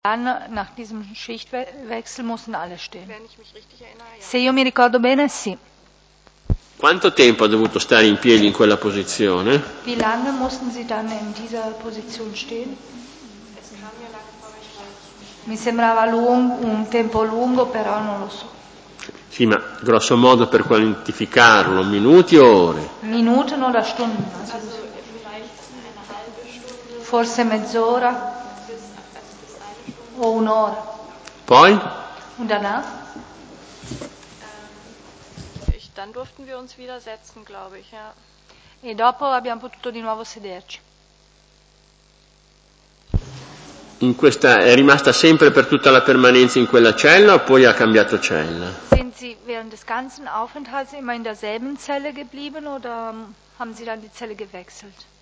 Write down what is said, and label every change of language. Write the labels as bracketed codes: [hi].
[de] Dann, nach diesem Schichtwechsel mussten alle stehen. Wenn ich mich richtig erinnere, ja. [it] Se io mi ricordo bene, sì. Quanto tempo ha dovuto stare in piedi in quella posizione? [de] Wie lange mussten sie dann in dieser Position stehen? [it] Mi sembrava lungo, un tempo lungo, però non lo so. Sì, ma grosso modo per quantificarlo, minuti o ore? [de] Minuten oder Stunden? [it] Forse mezz'ora o un'ora. Poi? [de] Und danach? Dann durften wir uns wieder setzen, glaube ich, ja. [it] E dopo abbiamo potuto di nuovo sederci. In questa è rimasta sempre per tutta la permanenza in quella cella o poi ha cambiato cella? [de] Sind Sie während des ganzen Aufenthalts immer in derselben Zelle geblieben oder haben Sie dann die Zelle gewechselt?